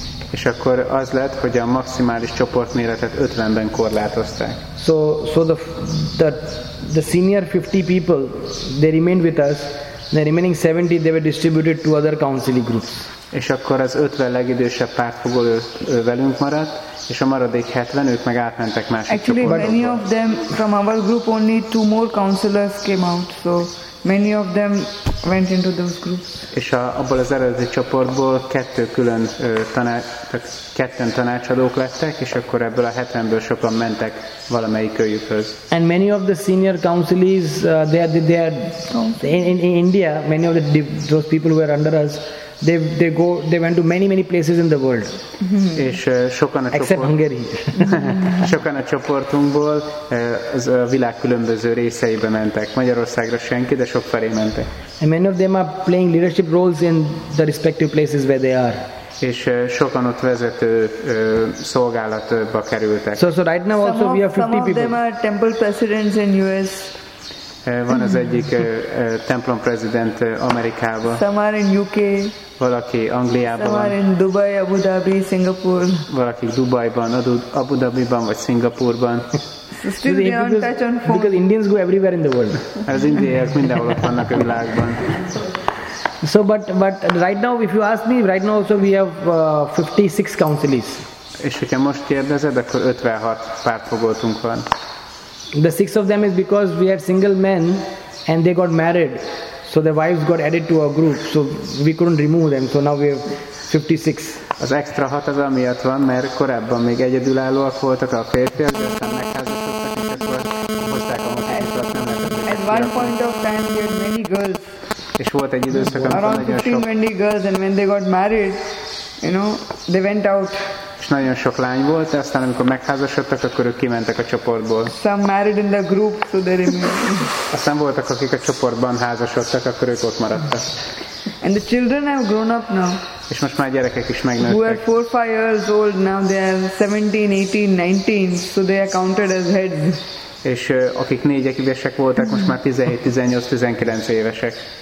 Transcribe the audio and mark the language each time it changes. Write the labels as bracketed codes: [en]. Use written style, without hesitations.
[hu] És akkor az lett, hogy a maximális csoportméretet 50-ben korlátozták. [en] So the senior 50 people, they remained with us. The remaining 70, they were distributed to other counselee groups. [hu] És akkor az 50 legidősebb pártfogoló velünk maradt, és a maradék 70, ők meg átmentek másik csoportba. [en] Actually, many of them from our group, only 2 more counselors came out. So many of them went into those groups. [hu] És abból az eredeti csoportból 2 külön ketten tanácsadók lettek, és akkor ebből a 70-ből sokan mentek valamelyikőjükhöz. [en] And many of the senior counselees, they are in India, many of those people who were under us, they went to many places in the world. [hu] És sokan a [en] except Hungary. [hu] Sokan a csoportunkból az a világ különböző részeibe mentek. Magyarországra senki, de sok felé mentek. [en] And many of them are playing leadership roles in the respective places where they are. [hu] És sokan ott vezető szolgálatba kerültek. [en] So right now also we have 50 people. Some of them are temple presidents in US. [hu] Van az egyik templom prezident Amerikában. [en] Some are in UK. [hu] Valaki Angliában. [en] Some are in Dubai, Abu Dhabi, Singapore. [hu] Valaki Dubajban, Abu Dhabiban vagy Szingapurban. [en] So still they aren't touch on phone. Because Indians go everywhere in the world. [hu] Az indiaiak mindenhol ott vannak a világban. [en] So but right now if you ask me, right now also we have 56 counselees. [hu] És hogyha most kérdezed, akkor 56 pártfogoltunk van. [en] The 6 of them is because we are single men and they got married, so the wives got added to our group, so we couldn't remove them, so now we have 56. [hu] Az extra hat az amiatt van, mert korábban még egyedülállóak voltak a férfiak, de aztán megházasodtak, és akkor hozták a munkáikat. [en] At one point of time, there were many girls. [hu] És volt egy időszak, amikor nagyon sok... [en] Around 15-20 girls, and when they got married, you know, they went out. [hu] És nagyon sok lány volt, aztán amikor megházasodtak, akkor ők kimentek a csoportból. [en] Some married in the group, so they remained. [hu] Aztán voltak, akik a csoportban házasodtak, akkor ők ott maradtak. [en] And the children have grown up now. [hu] És most már gyerekek is megnőttek. [en] Who are 4-5 years old now, they are 17, 18, 19, so they are counted as heads. [hu] És akik 4 évesek voltak, most már 17, 18, 19 évesek.